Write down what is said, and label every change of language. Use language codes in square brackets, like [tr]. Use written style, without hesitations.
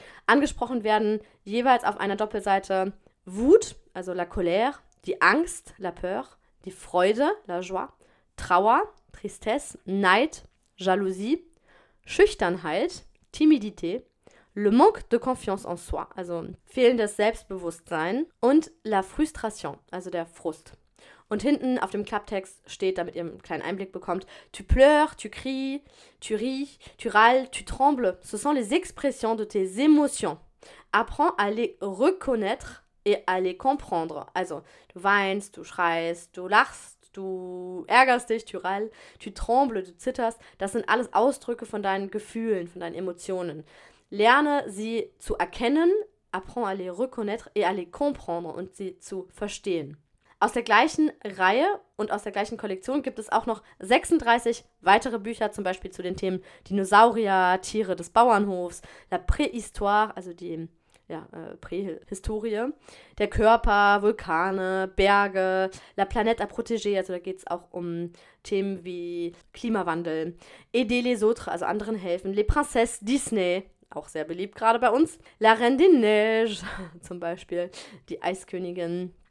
[de] Angesprochen werden jeweils auf einer Doppelseite Wut, also la colère, die Angst, la peur, die Freude, la joie, Trauer, Tristesse, Neid, Jalousie, Schüchternheit, Timidité, le manque de confiance en soi, also fehlendes Selbstbewusstsein und la frustration, also der Frust. Und hinten auf dem Klapptext steht, damit ihr einen kleinen Einblick bekommt, [fr] tu pleures, tu cries, tu ris, tu râles, tu trembles, ce sont les expressions de tes émotions. Apprends à les reconnaître et à les comprendre. [de] Also du weinst, du schreist, du lachst, du ärgerst dich, [fr] tu râles, tu trembles, [de] du zitterst. Das sind alles Ausdrücke von deinen Gefühlen, von deinen Emotionen. Lerne sie zu erkennen, [fr] apprends à les reconnaître et à les comprendre [de] und sie zu verstehen. Aus der gleichen Reihe und aus der gleichen Kollektion gibt es auch noch 36 weitere Bücher, zum Beispiel zu den Themen Dinosaurier, Tiere des Bauernhofs, la Préhistoire, also die Prähistorie. Der Körper, Vulkane, Berge, La Planète à Protéger, also da geht es auch um Themen wie Klimawandel, Aider les autres, also anderen helfen, Les Princesses, Disney, auch sehr beliebt gerade bei uns, La Reine des Neiges zum Beispiel, die Eiskönigin.